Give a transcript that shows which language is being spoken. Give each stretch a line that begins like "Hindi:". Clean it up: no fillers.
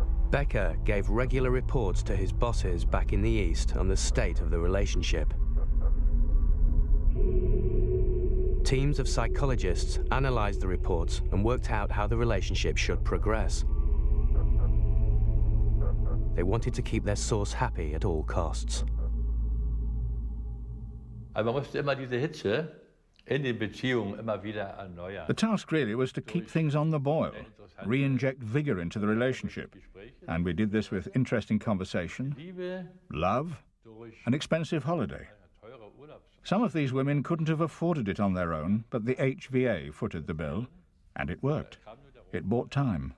English: Becker gave regular reports to his bosses back in the East on the state of the relationship. Teams of psychologists analyzed the reports and worked out how the relationship should progress. They wanted to keep their source happy at all costs.
German: Man musste immer diese Hitze in den Beziehungen immer wieder erneuern.
English: The task really was to keep things on the boil, re-inject vigor into the relationship. And we did this with interesting conversation, love, an expensive holiday. Some of these women couldn't have afforded it on their own, but the HVA footed the bill, and it worked. It bought time.